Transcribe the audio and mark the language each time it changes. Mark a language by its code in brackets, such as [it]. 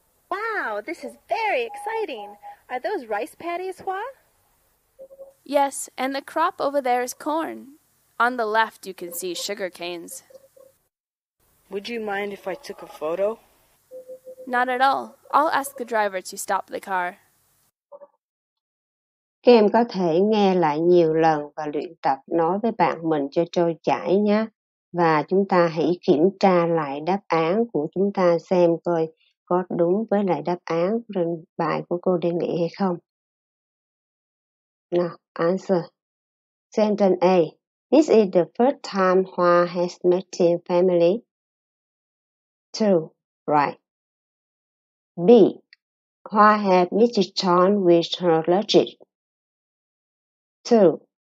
[en] Wow, this is very exciting. Are those rice paddies, Hoa? Yes, and the crop over there is corn. On the left, you can see sugar canes. Would you mind if I took a photo? Not at all. I'll ask the driver to stop the car. [vi] Các em có thể nghe lại nhiều lần và luyện tập nói với bạn mình cho trôi chảy nhé. Và chúng ta hãy kiểm tra lại đáp án của chúng ta xem coi có đúng với lại đáp án trên bài của cô đề nghị hay không. [en] Now, answer. Sentence A. This is the first time Hoa has met Tim's family. True. Right. B. Hoa has met John with her logic. True.